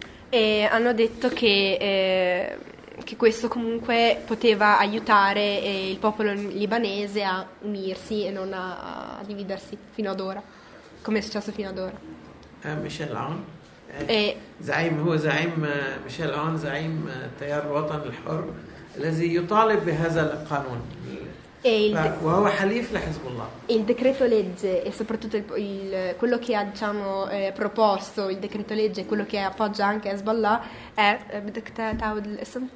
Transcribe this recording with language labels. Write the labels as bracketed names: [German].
[Italian] E hanno detto che questo comunque poteva aiutare il popolo libanese a unirsi e non a dividersi fino ad ora, come è successo fino ad ora. Michel Aoun. [Arabic] زعيم هو زعيم ميشيل عون زعيم التيار الوطني الحر الذي يطالب بهذا القانون. وهو حليف لحزب الله. [Italian] Il decreto legge e soprattutto quello che ha diciamo proposto il decreto legge quello che appoggia anche Hezbollah è [Arabic] بدك تعود الاسم؟